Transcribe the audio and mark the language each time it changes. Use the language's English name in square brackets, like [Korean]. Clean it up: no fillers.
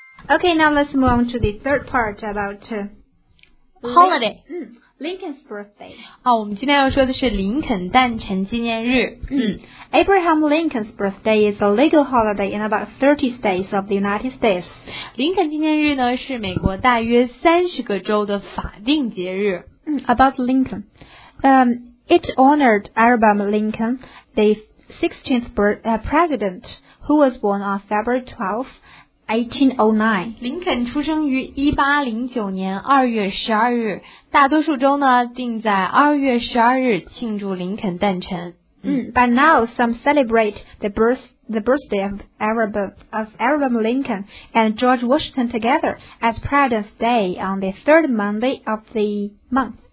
[English] Okay, now let's move on to the third part about Holiday. Lincoln's birthday. [Chinese] 我们今天要说的是林肯诞辰纪念日。 [English] Abraham Lincoln's birthday is a legal holiday in about 30 states of the United States. [Chinese] 林肯纪念日呢是美国大约30个州的法定节日。 [English] About Lincoln. It honored Abraham Lincoln, the 16th president, who was born on February 12th,1809. [Chinese] 林肯出生于1809年2月12日，大多数州呢定在2月12日庆祝林肯诞辰。 [English] But now some celebrate the birthday of Abraham Lincoln and George Washington together as President's Day on the third Monday of the month.